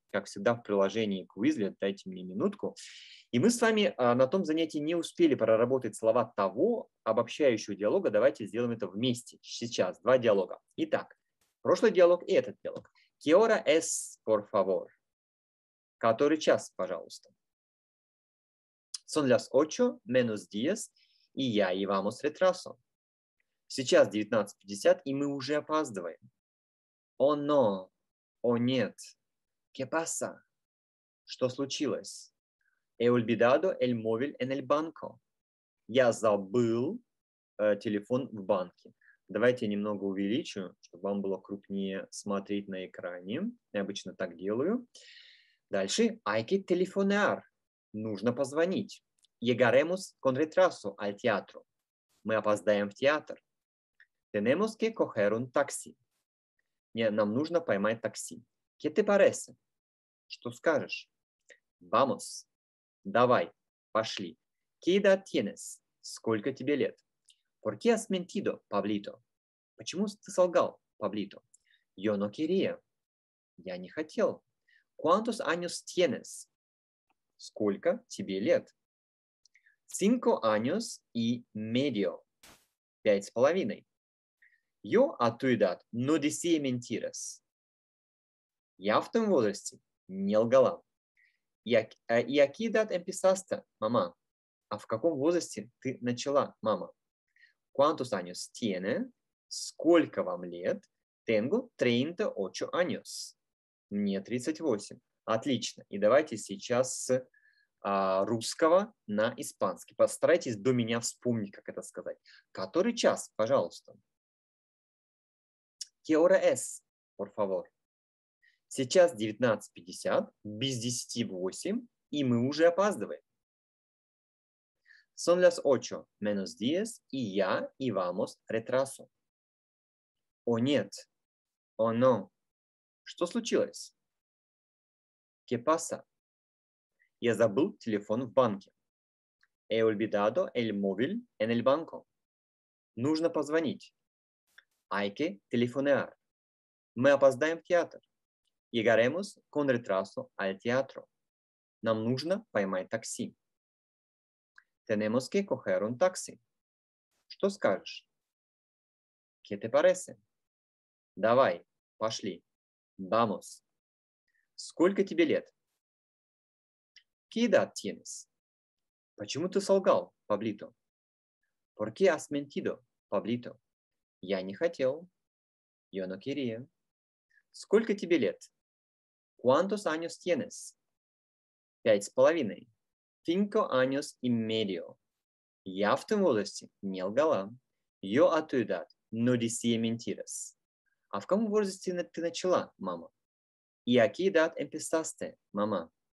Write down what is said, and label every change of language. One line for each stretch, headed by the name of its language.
Russian: как всегда, в приложении Quizlet, дайте мне минутку. И мы с вами на том занятии не успели проработать слова того обобщающего диалога. Давайте сделаем это вместе. Сейчас два диалога. Итак, прошлый диалог и этот диалог.
Spanish: ¿Qué hora es, por favor?
Russian: Который час, пожалуйста?
Spanish: Son las 8 menos 10 y ya llevamos retraso.
Russian: Сейчас 19:50 и мы уже опаздываем. О, но, о, нет.
Spanish: ¿Qué pasa?
Russian: Что случилось?
Spanish: He olvidado el móvil en el banco.
Russian: Я забыл телефон в банке. Давайте я немного увеличу, чтобы вам было крупнее смотреть на экране. Я обычно так делаю. Дальше.
Spanish: Hay que telefonar.
Russian: Нужно позвонить.
Spanish: Llegaremos con retraso al teatro.
Russian: Мы опоздаем в театр.
Spanish: Tenemos que coger un taxi.
Russian: Нам нужно поймать такси.
Spanish: ¿Qué te parece?
Russian: Что скажешь?
Spanish: Vamos.
Russian: Давай, пошли.
Spanish: ¿Qué edad tienes?
Russian: Сколько тебе лет?
Spanish: ¿Por qué has mentido, Pablito?
Russian: Почему ты солгал, Pablito?
Spanish: Yo no quería.
Russian: Я не хотел.
Spanish: ¿Cuántos años tienes?
Russian: Сколько тебе лет?
Spanish: 5 años y medio.
Russian: 5,5.
Spanish: Yo a tu edad no decía mentiras.
Russian: Я в том возрасте не лгала.
Spanish: И a qué edad empezaste, мама?
Russian: А в каком возрасте ты начала, мама?
Spanish: ¿Cuántos años tiene?
Russian: Сколько вам лет?
Spanish: Tengo 38 años.
Russian: Мне 38. Отлично. И давайте сейчас с русского на испанский. Постарайтесь до меня вспомнить, как это сказать. Который час, пожалуйста?
Spanish: ¿Qué hora es, por favor?
Russian: Сейчас 19:50, без 10:08, и мы уже опаздываем.
Spanish: Son las 8 menos 10, y ya íbamos retraso.
Russian: О, нет. О, но. Что случилось?
Spanish: ¿Qué pasa?
Russian: Я забыл телефон в банке.
Spanish: He olvidado el móvil en el banco.
Russian: Нужно позвонить.
Spanish: Hay que telefonar.
Russian: Мы опоздаем в театр.
Spanish: Llegaremos con retraso al teatro.
Russian: Нам нужно поймать такси.
Spanish: Tenemos que coger un taxi.
Russian: Что скажешь?
Spanish: ¿Qué te parece?
Russian: Давай, пошли.
Spanish: Vamos.
Russian: Сколько тебе лет?
Spanish: ¿Qué edad tienes?
Russian: Почему ты солгал, Pablito?
Spanish: ¿Por qué has mentido, Pablito?
Russian: Я не хотел.
Spanish: Yo no quería.
Russian: Сколько тебе лет?
Spanish: ¿Cuántos años tienes? 5,5. 5 años y medio.
Russian: Я в том возрасте не лгала.
Spanish: Yo a tu edad no decía mentiras.
Russian: А в каком возрасте ты начала, мама?
Spanish: ¿Y a qué edad empezaste, мама?